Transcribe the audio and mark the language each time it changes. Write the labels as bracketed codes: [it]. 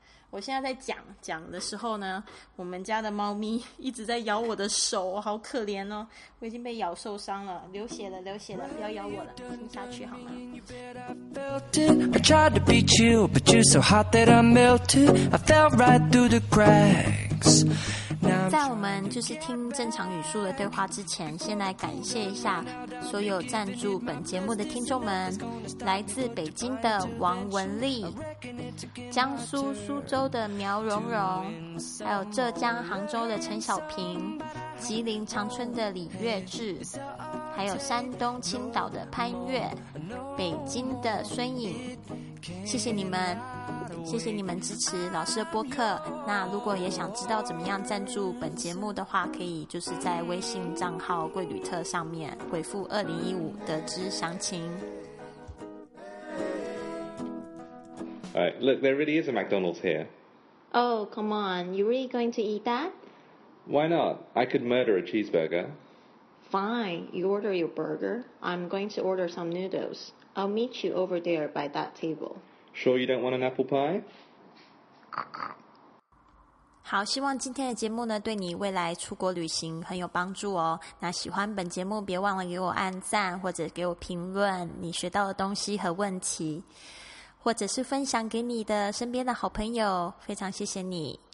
[zh] 我现在在讲的时候呢，我们家的猫咪一直在咬我的手，好可怜哦，我已经被咬受伤了，流血了流血了，不要咬我了，听下去好吗？ [en] I tried to beat you, but you're so hot that I melted. I fell right through the cracks. [zh] 在我们就是听正常语速的对话之前，先来感谢一下所有赞助本节目的听众们，来自北京的王文丽，江苏苏州的苗蓉蓉，还有浙江杭州的陈小平，吉林长春的李月志，还有山东青岛的潘月，北京的孙颖，谢谢你们，谢谢你们支持老师的播客。那如果也想知道怎么样赞助本节目的话，可以就是在微信账号贵旅特上面回复2015得知详情。 [en] Alright, look, there really is a McDonald's here. Oh, come on, you really going to eat that? Why not? I could murder a cheeseburger. Fine, you order your burger. I'm going to order some noodles. I'll meet you over there by that table. Sure you don't want an apple pie? [zh] 好，希望今天的节目呢，对你未来出国旅行很有帮助哦。那喜欢本节目，别忘了给我按赞，或者给我评论你学到的东西和问题，或者是分享给你的身边的好朋友，非常谢谢你。